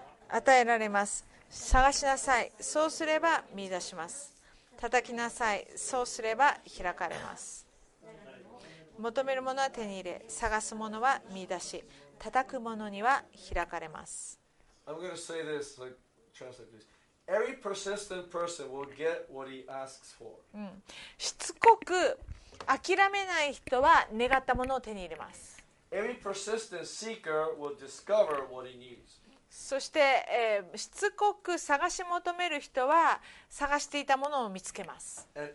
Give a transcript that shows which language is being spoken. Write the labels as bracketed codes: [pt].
[ja] 与えられます、探しなさい、そうすれば見出します、叩きなさい、そうすれば開かれます。求めるものは手に入れ、探すものは見出し、叩くものには開かれます。 [en] I'm going to say this, like, translate this. Every persistent person will get what he asks for. [ja] しつこく諦めない人は願ったものを手に入れます。 [en] Every persistent seeker will discover what he needs. [ja] そして、しつこく探し求める人は探していたものを見つけます。